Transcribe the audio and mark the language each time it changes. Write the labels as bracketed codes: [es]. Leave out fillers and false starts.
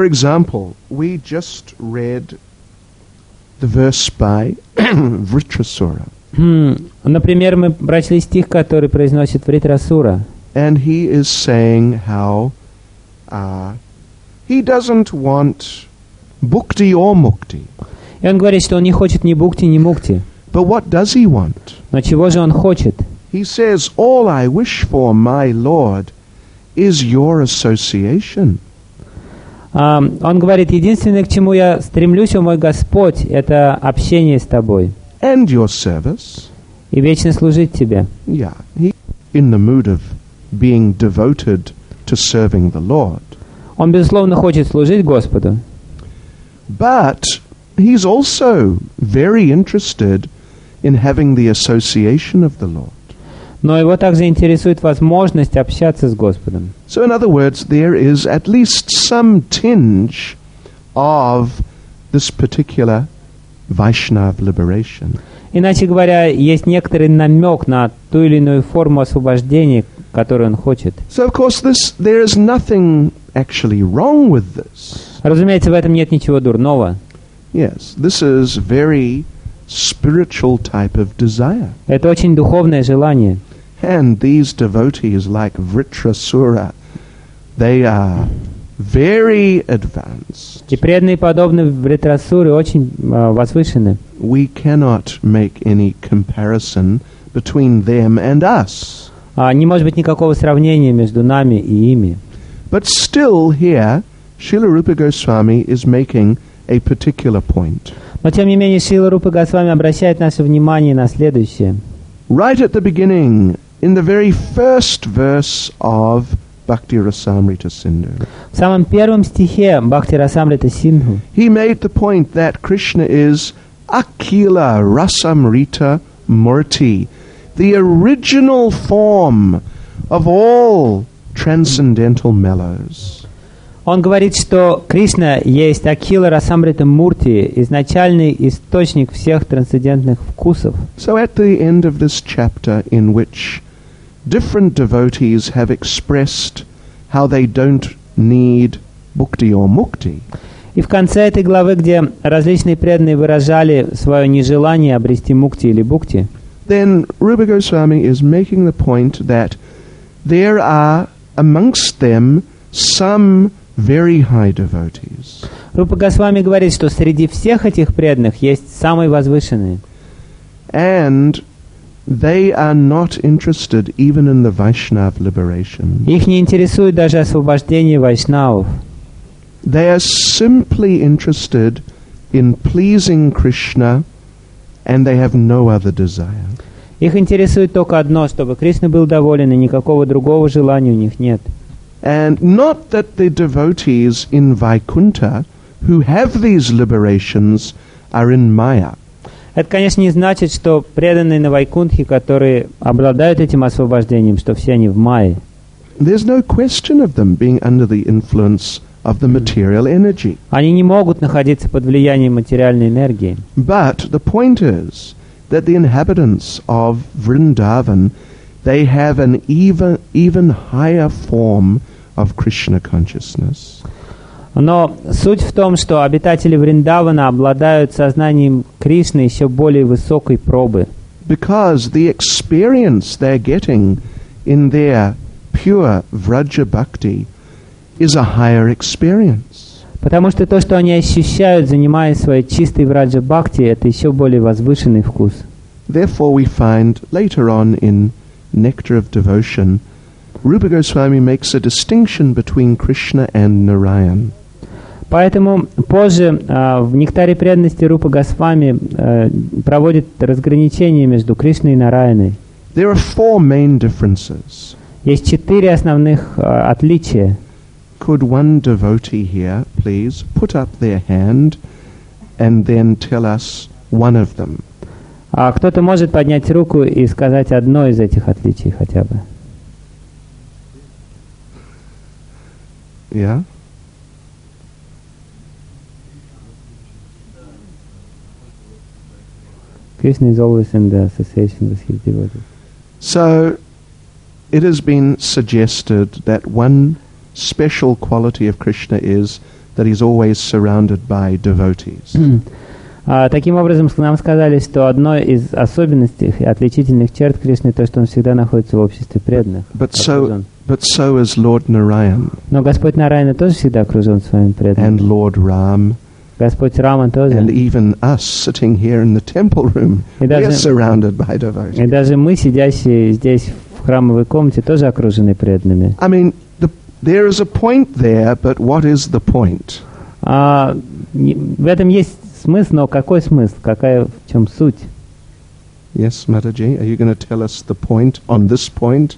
[en] for example, we just read the verse by Vritrasura. [ru] Например, мы прочли стих, который произносит Вритрасура. [en] And he is saying how he doesn't want bhukti or mukti. [ru] И он говорит, что он не хочет ни бхукти, ни мукти. [en] But what does he want? [ru] Но чего же он хочет? [en] He says, all I wish for, my Lord, is your association. [ru] Он говорит, единственное, к чему я стремлюсь, о мой Господь, это общение с тобой. [en] And your service. [ru] И вечно служить тебе. [en] Yeah, he in the mood of being devoted to serving the Lord. [ru] Он, безусловно, хочет служить Господу. [en] But he's also very interested in having the association of the Lord. [ru] Но его также интересует возможность общаться с Господом. [en] So in other words, there is at least some tinge of this particular Vaishnav liberation. [ru] Иначе говоря, есть некоторый намек на ту или иную форму освобождения, которую он хочет. [en] So of course, there is nothing actually wrong with this. [ru] Разумеется, в этом нет ничего дурного. [en] Yes, this is very spiritual type of desire. [ru] Это очень духовное желание. [en] And these devotees like Vritrasura, they are very advanced. [ru] И преданные подобные Вритрасуре очень возвышены. [en] We cannot make any comparison between them and us. [ru] Не может быть никакого сравнения между нами и ими. [en] But still here, Srila Rupa Goswami is making a particular point. [ru] Но тем не менее Шрила Рупа Госвами обращает наше внимание на следующее. [en] Right at the beginning, in the very first verse of Bhakti Rasamrita Sindhu. [ru] В самом первом стихе Бхакти Расамрита Синдху. [en] He made the point that Krishna is Akila Rasamrita Murti, the original form of all transcendental mellows. [ru] Он говорит, что Кришна есть Акила Расамрита Мурти, изначальный источник всех трансцендентных вкусов. [en] So at the end of this chapter, in which different devotees have expressed how they don't need bhukti or mukti. [ru] И в конце этой главы, где различные преданные выражали свое нежелание обрести мукти или бхукти, [en] then Rupa Goswami is making the point that there are amongst them some very high devotees. [ru] Рупа Госвами говорит, что среди всех этих преданных есть самые возвышенные. [en] And they are not interested even in the Vaishnav liberation. [ru] Их не интересует даже освобождение вайшнавов. [en] They are simply interested in pleasing Krishna, and they have no other desire. [ru] Их интересует только одно, чтобы Кришна был доволен, и никакого другого желания у них нет. [en] And not that the devotees in Vaikuntha who have these liberations are in Maya. [ru] Это, конечно, не значит, что преданные на Вайкунтхе, которые обладают этим освобождением, что все они в майе. [en] There's no question of them being under the influence of the material energy. [ru] Они не могут находиться под влиянием материальной энергии. [en] But the point is that the inhabitants of Vrindavan, they have an even higher form of Krishna consciousness. [ru] Но суть в том, что обитатели Вриндавана обладают сознанием Кришны еще более высокой пробы. [en] Because the experience they're getting in their pure Vraja Bhakti is a higher experience. [ru] Потому что то, что они ощущают, занимаясь своей чистой Враджа Бхакти, это еще более возвышенный вкус. [en] Therefore we find later on in Nectar of Devotion, Rupa Goswami makes a distinction between Krishna and Narayan. [ru] Поэтому позже в Нектаре преданности Рупа Госвами проводит разграничение между Кришной и Нараяной. [en] There are four main differences. [ru] Есть четыре основных отличия. [en] Could one devotee here please put up their hand and then tell us one of them? [ru] Кто-то может поднять руку и сказать одно из этих отличий хотя бы? [en] Yeah? Krishna is always in the association with his devotees. So, it has been suggested that one special quality of Krishna is that he's always surrounded by devotees. [ru] Таким образом, нам сказали, что одной из особенностей, отличительных черт Кришны, то, что он всегда находится в обществе преданных. [en] But so is Lord Narayan. [ru] Но Господь Нараяна тоже всегда окружен своими преданными. [en] And Lord Ram. [ru] Господь Рама тоже. [en] And even us sitting here in the temple room, we are surrounded by devotees. [ru] И даже мы, сидящие здесь в храмовой комнате, тоже окружены преданными. [en] I mean, there is a point there, but what is the point? [ru] В этом есть смысл, но какой смысл? Какая в чем суть? [en] Yes, Mataji, are you going to tell us the point on this point?